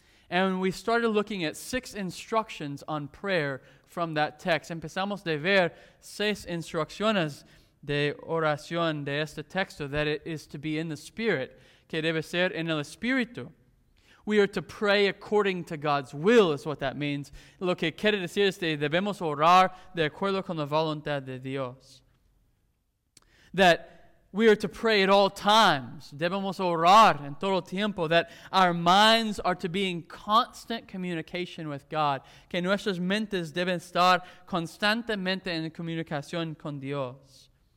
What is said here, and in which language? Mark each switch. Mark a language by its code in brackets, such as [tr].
[en] And we started looking at six instructions on prayer from that text. [es] Empezamos de ver seis instrucciones de oración de este texto, [en] that it is to be in the Spirit, [es] que debe ser en el Espíritu. [en] We are to pray according to God's will, is what that means. [es] Lo que quiere decir es que debemos orar de acuerdo con la voluntad de Dios. [en] That we are to pray at all times. [es] Debemos orar en todo tiempo. [en] That our minds are to be in constant communication with God. [es] Que nuestras mentes deben estar constantemente en comunicación con Dios.